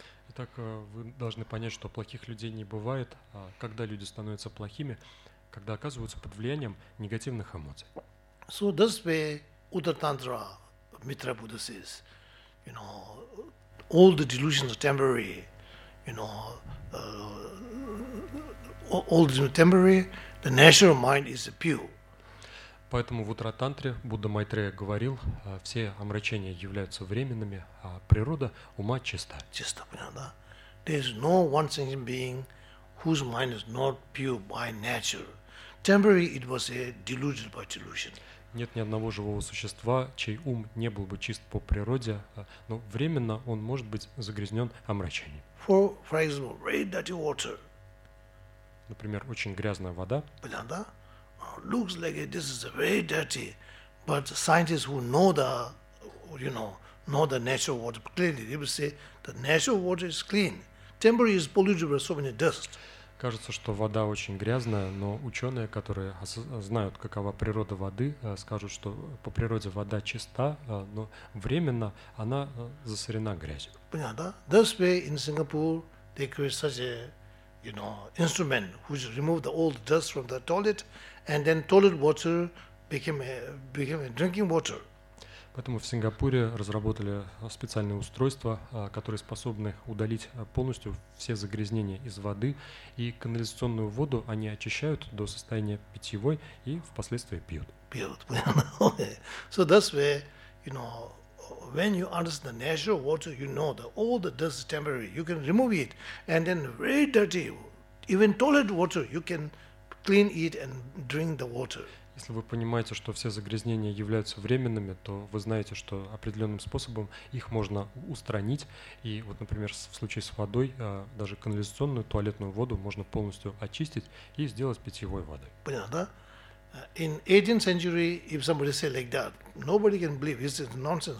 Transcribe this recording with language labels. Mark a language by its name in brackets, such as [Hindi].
[Russian] Итак, вы должны понять, что плохих людей не бывает, а когда люди становятся плохими, когда оказываются под влиянием негативных эмоций. [English] So that's why Uddhava Tantra, Mitra Buddha says, you know, all the delusions are temporary, you know, all the temporary. The natural mind is pure. [Russian] Поэтому в Утра-тантре Будда Майтрея говорил, все омрачения являются временными, а природа ума чиста. Чиста, понятно, да? [English] There is no one single being whose mind is not pure by nature. Temporary, it was a deluded by delusion. [Russian] Нет ни одного живого существа, чей ум не был бы чист по природе, но временно он может быть загрязнен омрачением. [English] For example, very dirty water. [Russian] Например, очень грязная вода. Понятно? [English] Looks like it. This is very dirty, but scientists who know the, you know the natural water clearly, they will say the natural water is clean. Temporary is polluted by so many dust. [Russian] Кажется, что вода очень грязная, но ученые, которые знают, какова природа воды, скажут, что по природе вода чиста, но временно она засорена грязью. Понятно? [English] This way in Singapore they create such a you know, instrument which removed the old dust from the toilet, and then toilet water became a drinking water. [Russian] Поэтому в Сингапуре разработали специальные устройства, которые способны удалить полностью все загрязнения из воды, и канализационную воду они очищают до состояния питьевой и впоследствии пьют. Пьют. [English] So that's where, you know, when you understand the natural water, you know that all the dust is temporary. You can remove it, and then very dirty, even toilet water, you can clean it and drink the water. [Russian] Если вы понимаете, что все загрязнения являются временными, то вы знаете, что определенным способом их можно устранить. И вот, например, в случае с водой, даже канализационную туалетную воду можно полностью очистить и сделать питьевой водой. Понятно, да? [English] In 18th century, if somebody said like that, nobody can believe. This is nonsense.